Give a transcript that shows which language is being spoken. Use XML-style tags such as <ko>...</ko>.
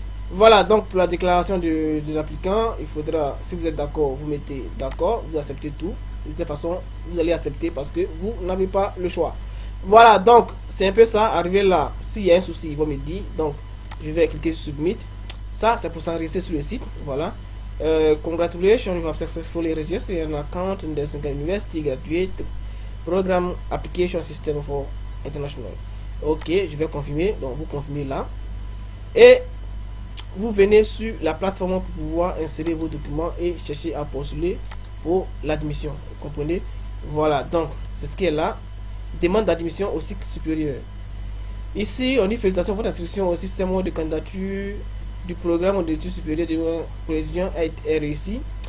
<fr>Voilà, donc pour la déclaration de l'applicant, il faudra, si vous êtes d'accord, vous mettez d'accord, vous acceptez tout. De toute façon, vous allez accepter parce que vous n'avez pas le choix. Voilà, donc c'est un peu ça. Arrivé là, s'il y a un souci, il va me dire. Donc je vais cliquer sur Submit. Ça, c'est pour s'enregistrer sur le site. Voilà.</fr> <en>Congratulations, you have successfully registered an account in the Tsinghua University Graduate Program Application System for International.</en> <fr>Ok, je vais confirmer. Donc, vous confirmez là. Et vous venez sur la plateforme pour pouvoir insérer vos documents et chercher à postuler pour l'admission. Vous comprenez? Voilà, donc, c'est ce qui est là. Demande d'admission au cycle supérieur. Ici, on dit félicitations, votre inscription au système de candidature du programme d'études supérieures pour étudiants est réussi.</fr>